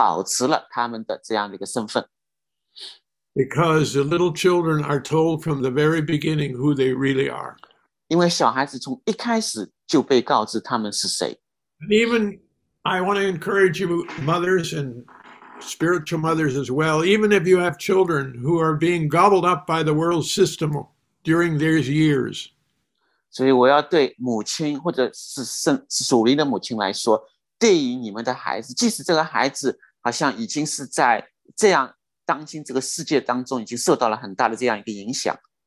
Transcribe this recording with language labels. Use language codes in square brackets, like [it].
[zh] 实际上，我们意识到犹太人是在这个世界上唯一的一个民族，是一直保持了他们的这样的一个身份。 [en] Because the little children are told from the very beginning who they really are. [zh] 因为小孩子从一开始就被告知他们是谁。 [en] And even I want to encourage you, mothers and spiritual mothers as well, even if you have children who are being gobbled up by the world system during these years. [zh] 所以我要对母亲或者是属灵的母亲来说，对于你们的孩子，即使这个孩子好像已经是在这样。当今这个世界当中已经受到了很大的这样一个影响。